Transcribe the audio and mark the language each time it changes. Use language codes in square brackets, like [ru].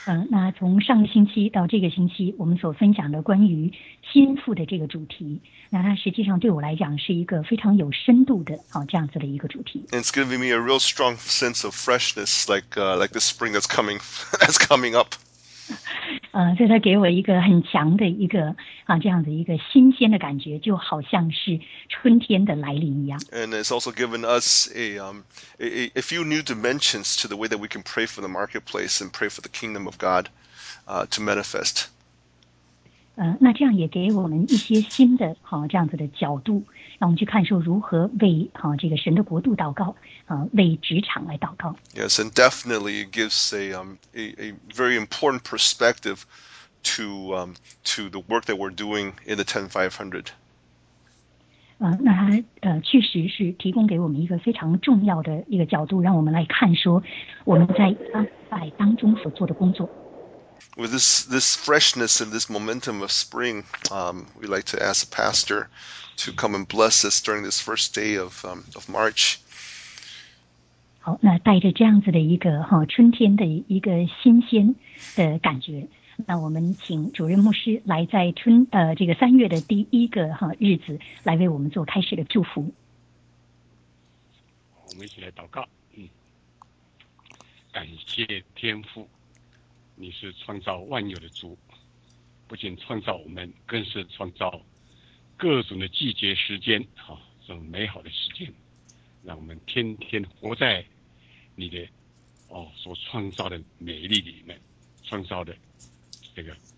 [zh] 那从上个星期到这个星期，我们所分享的关于心腹的这个主题，那它实际上对我来讲是一个非常有深度的这样子的一个主题。 [en] It's giving me a real strong sense of freshness, like the spring that's coming up. [zh] 所以它给我一个很强的一个这样的一个新鲜的感觉，就好像是春天的来临一样。 [en] And it's also given us a few new dimensions to the way that we can pray for the marketplace and pray for the kingdom of God to manifest. [zh] 那这样也给我们一些新的这样子的角度，让我们去看说如何为这个神的国度祷告，为职场来祷告。 [en] Yes, and definitely it gives a very important perspective to the work that we're doing in the 10500. [zh] 那它确实是提供给我们一个非常重要的一个角度，让我们来看说我们在拜当中所做的工作。 [en] With this freshness and this momentum of spring, we'd like to ask the pastor to come and bless us during this first day of March. [zh] 好，那带着这样子的一个春天的一个新鲜的感觉，那我们请主任牧师来在这个3月的第一个日子来为我们做开始的祝福。我们一起来祷告，感谢天父，你是创造万有的主，不仅创造我们，更是创造各种的季节时间，这种美好的时间，让我们天天活在你的所创造的美丽里面，创造的这个